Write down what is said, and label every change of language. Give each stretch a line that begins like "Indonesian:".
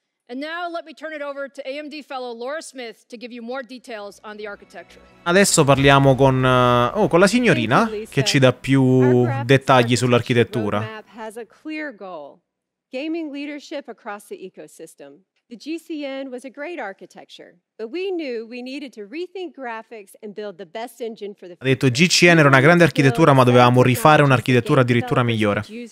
English: And now let me turn it over to AMD fellow Laura Smith to give you more details on the architecture.
Italian: Adesso parliamo con con la signorina che ci dà più dettagli sull'architettura.
English: Our roadmap has a clear goal: gaming leadership across the ecosystem. The GCN was a great architecture, but we knew we needed to rethink graphics and build the best engine for the future.
Italian: Ha detto GCN era una grande architettura, ma dovevamo rifare un'architettura addirittura migliore.